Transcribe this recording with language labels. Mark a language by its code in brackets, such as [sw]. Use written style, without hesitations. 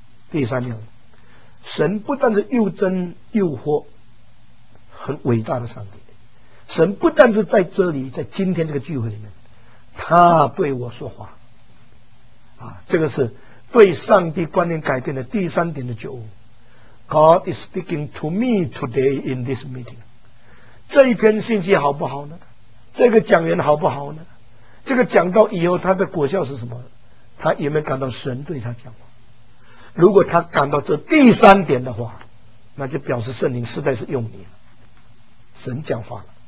[zh] 第三样，神不但是又真又活很伟大的上帝，神不但是在这里，在今天这个聚会里面他对我说话啊，这个是对上帝观念改变的第三点的觉悟。 [en] God is speaking to me today in this meeting。 [zh] 这一篇信息好不好呢？这个讲员好不好呢？这个讲到以后他的果效是什么？他有没有感到神对他讲话？如果他感到这第三点的话，那就表示圣灵实在是用你了，神讲话了。